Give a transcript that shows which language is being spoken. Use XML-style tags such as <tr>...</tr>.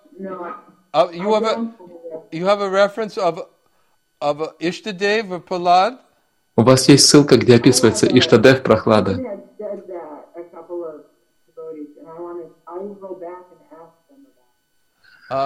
<en>You have a reference of Ishtadev or Prahlad?</en> <ru>У вас есть ссылка, где описывается Иштадев Прохлада.</ru> <en>honest, I will go back and ask them about it.</en>